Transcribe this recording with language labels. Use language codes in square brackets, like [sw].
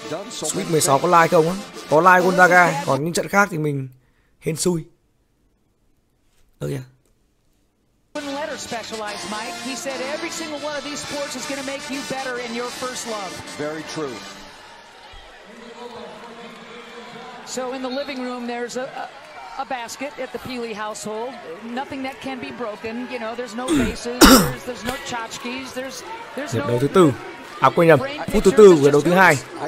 [vi] Sweet 16 có like không á? Có like Gonzaga, còn những trận khác thì mình hên xui. [en] Oh yeah. Specialized Mike, he said every single one of these sports is going to make you better in your first love. Very true. So in the living room there's a basket at the Peely household, nothing that can be broken, you know, there's no vases, there's no tchotchkes, there's no. [vi] Thứ tư. À quên nhầm, phút thứ tư của đầu thứ hai.